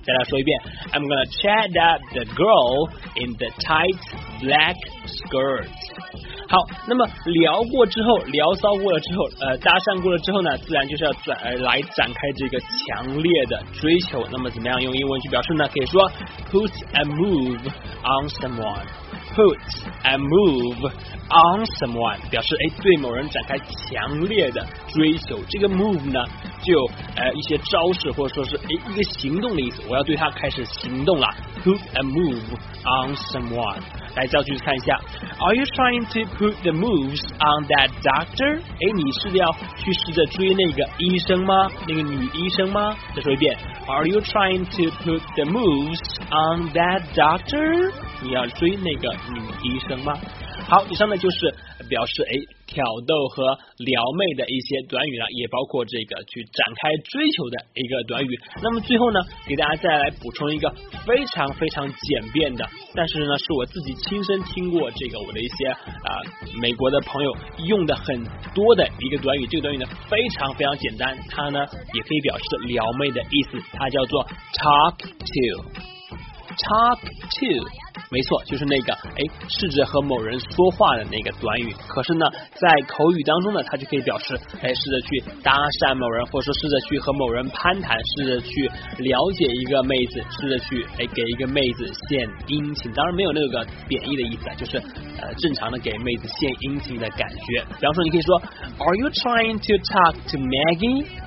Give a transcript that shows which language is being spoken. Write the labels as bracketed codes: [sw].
[zh] 再来说一遍。 [en] I'm gonna chat up the girl in the tight black skirt. [zh] 好，那么聊过之后，聊骚过了之后，搭讪过了之后呢，自然就是要来展开这个强烈的追求。那么怎么样用英文去表示呢？可以说 [en] put a move on someone， put a move on someone [zh] 表示对某人展开强烈的追求。这个 move 呢就一些招式，或者说是一个行动的意思，我要对他开始行动了。 [en] put a move on someone， [zh] 来造句子看一下。 [en] Are you trying to put the moves on that doctor? [zh] 你是要去试着追那个医生吗？那个女医生吗？再说一遍。 [en] Are you trying to put the moves on that doctor? [zh] 你要追那个女医生吗？好，以上呢就是表示挑逗和撩妹的一些短语了，也包括这个去展开追求的一个短语。那么最后呢给大家再来补充一个非常非常简便的，但是呢是我自己亲身听过这个我的一些美国的朋友用的很多的一个短语。这个短语呢非常非常简单，它呢也可以表示撩妹的意思，它叫做 talk to。没错，就是那个试着和某人说话的那个短语。可是呢在口语当中呢它就可以表示试着去搭讪某人，或者说试着去和某人攀谈，试着去了解一个妹子，试着去给一个妹子献殷勤。当然没有那个贬义的意思，就是正常的给妹子献殷勤的感觉。比方说你可以说 [en] Are you trying to talk to Maggie?